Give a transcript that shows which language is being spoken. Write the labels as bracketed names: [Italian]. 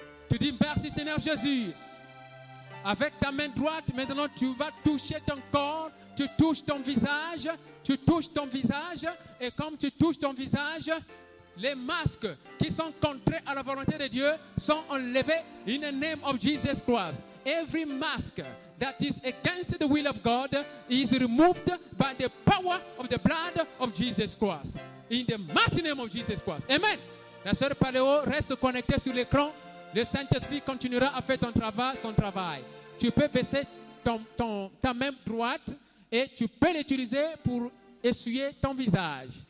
[French] Tu dis merci Seigneur Jésus. Avec ta main droite, maintenant tu vas toucher ton corps. Tu touches ton visage. Tu touches ton visage. Et comme tu touches ton visage, les masques qui sont contraires à la volonté de Dieu sont enlevés. [English] In the name of Jesus Christ. Every mask that is against the will of God is removed by the power of the blood of Jesus Christ. In the mighty name of Jesus Christ. Amen. [French] La sœur Paléo reste connectée sur l'écran. Le Saint-Esprit continuera à faire son travail. Tu peux baisser ta main droite et tu peux l'utiliser pour essuyer ton visage.